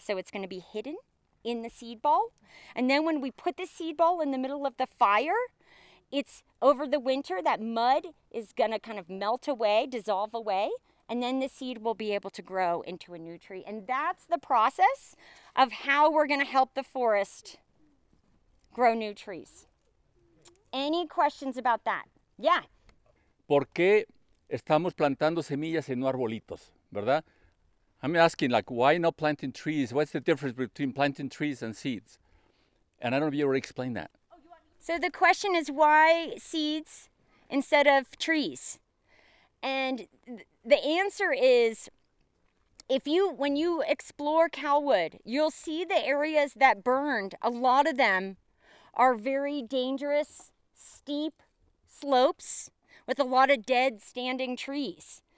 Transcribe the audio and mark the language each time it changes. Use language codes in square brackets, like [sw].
[en] So it's gonna be hidden in the seed ball. And then when we put the seed ball in the middle of the fire, it's over the winter, that mud is gonna kind of melt away, dissolve away, and then the seed will be able to grow into a new tree. And that's the process of how we're gonna help the forest grow new trees. Any questions about that? Yeah. [es] ¿Por qué estamos plantando semillas y no arbolitos, verdad? [en] I'm asking, like, why not planting trees? What's the difference between planting trees and seeds? And I don't know if you already explained that. So the question is why seeds instead of trees? And the answer is, when you explore Calwood, you'll see the areas that burned, a lot of them are very dangerous, steep slopes with a lot of dead standing trees.